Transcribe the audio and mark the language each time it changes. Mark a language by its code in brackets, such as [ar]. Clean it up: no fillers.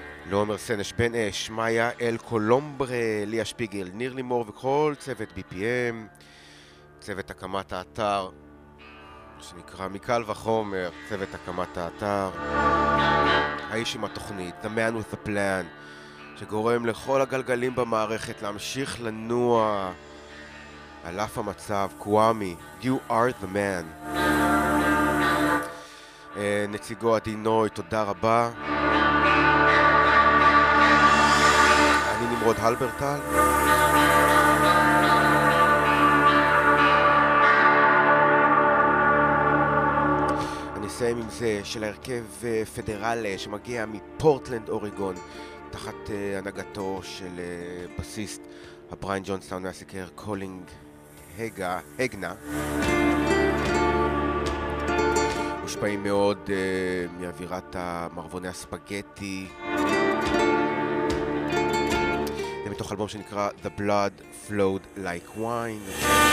[he] לעומר סנש, בן אש, מאיה אל קולומברה, ליה שפיגל, ניר לימור וכל צוות BPM, צוות הקמת האתר. שנקרא מקל וחומר, צוות הקמת האתר, האיש עם התוכנית, [en] the man with the plan, [he] שגורם לכל הגלגלים במערכת להמשיך לנוע על אף המצב. [en] קואמי, you are the man. [he] נציגו עדי נוי, תודה רבה. אני נמרוד הלברטל. נסיים עם זה של הרכב פדרלה שמגיע מפורטלנד אוריגון תחת הנהגתו של בסיסט הבריין ג'ונסטאון מהסיקר קולינג הגנה. מושפעים מאוד מאווירת המערבוני הספגטי. זה מתוך אלבום שנקרא The Blood Flowed Like Wine.